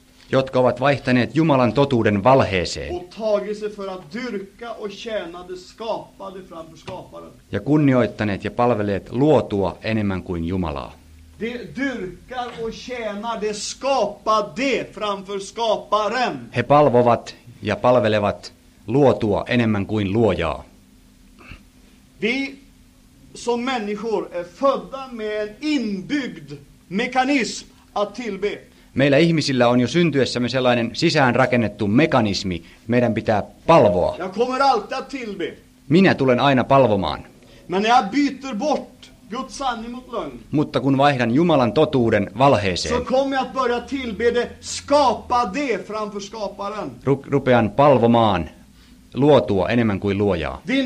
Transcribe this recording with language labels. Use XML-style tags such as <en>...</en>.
<fi>Jotka ovat vaihtaneet Jumalan totuuden valheeseen.</fi> <sv>Och tagit sig för att dyrka och tjäna det skapade framför skaparen.</sv> <fi>Ja kunnioittaneet ja palveleet luotua enemmän kuin Jumalaa.</fi> <sv>De dyrkar och tjänar det skapade framför skaparen.</sv> <fi>He palvovat ja palvelevat luotua enemmän kuin luojaa.</fi> <sv>Vi som människor är födda med en inbyggd mekanism att tillbe.</sv> <fi>Meillä ihmisillä on jo syntyessämme sellainen sisään rakennettu mekanismi. Meidän pitää palvoa.</fi> <sv>Jag kommer alltid att tillbe.</sv> <fi>Minä tulen aina palvomaan.</fi> <sv>Men jag byter bort Guds sanning mot lögn.</sv> <fi>Mutta kun vaihdan Jumalan totuuden valheeseen.</fi> <sv>Så kommer jag att börja tillbe det skapade framför skaparen.</sv> <fi>Rupean palvomaan. Luotua enemmän kuin luojaa.</fi>